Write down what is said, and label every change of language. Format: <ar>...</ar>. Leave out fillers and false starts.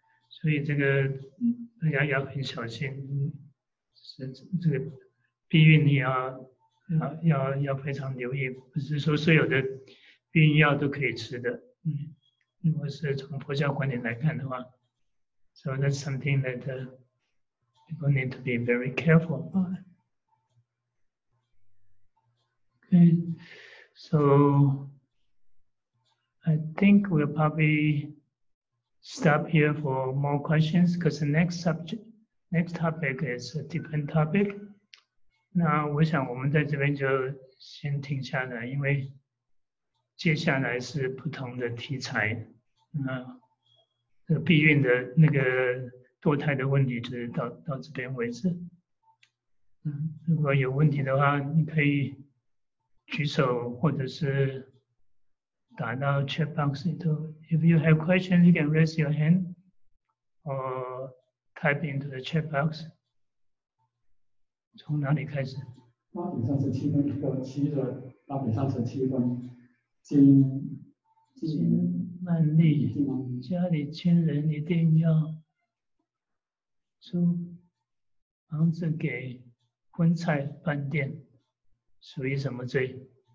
<zh>所以这个大家要很小心，这个避孕你要非常留意，不是说所有的避孕药都可以吃的。如果是从佛教观点来看的话，</zh> <en>so that's something that people need to be very careful about. Okay, so I think we'll probably stop here for more questions, because the next topic is a different topic.</en> <zh>那我想我们在这边就先停下来，因为接下来是不同的题材。那这个避孕的那个堕胎的问题就是到这边为止。如果有问题的话，你可以举手或者是打到 chat box 里头。</zh> <en>If you have questions, you can raise your hand or type into the chat box.</en> <zh>从哪里开始？八品上乘七分，一个七的八品上乘七分，金曼丽，家里亲人一定要租房子给荤菜饭店，属于什么罪？</zh>